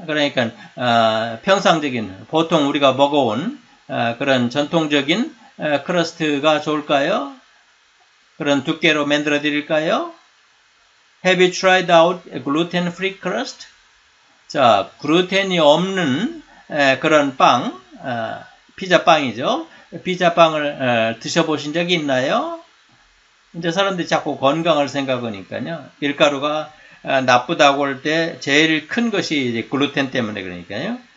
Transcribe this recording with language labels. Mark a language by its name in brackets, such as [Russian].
[Korean] 그러니까 평상적인 보통 우리가 먹어온 그런 전통적인 크러스트가 좋을까요? 그런 두께로 만들어 드릴까요? [English] Have you tried out a gluten-free crust? [Korean] 자, 글루텐이 없는 그런 빵, 피자빵이죠. 피자빵을 드셔보신 적이 있나요? 이제 사람들이 자꾸 건강을 생각하니까요. 밀가루가 나쁘다고 할때 제일 큰 것이 이제 글루텐 때문에 그러니까요.